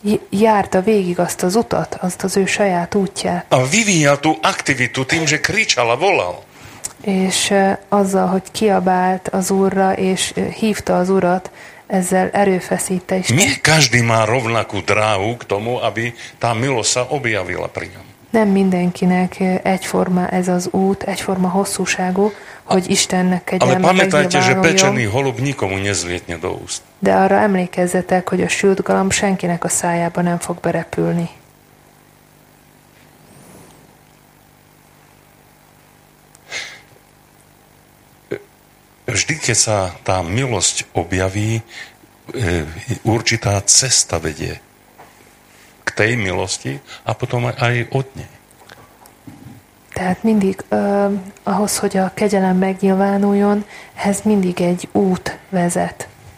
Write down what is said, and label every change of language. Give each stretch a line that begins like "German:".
Hungarian: Járta végig azt az utat, azt az ő saját útját.
Slovak: A vivíjal tú aktivitu tým, že kričal a volal.
Hungarian: És azzal, hogy kiabált az Úrra, és hívta az Urat, ezzel erőfeszíte Isten.
Slovak: Nie každý má rovnakú dráhu k tomu, aby tá milosť sa objavila pri ňom.
Hungarian: Nem mindenkinek egyforma ez az út, egyforma hosszúságú, hogy Istennek kegyelme.
Slovak: Ale pamätajte, že pečený holub nikomu nezlietne do úst.
Hungarian: De arra emlékezzetek, hogy a sült galamb senkinek a szájába nem fog berepülni.
Slovak: Vždy, keď sa tá milosť objaví, určitá cesta vedie k tej milosti a potom aj od nej.
Hungarian: Tehát mindig ahhoz, hogy a kegyelem megnyilvánuljon, ez mindig egy út vezet.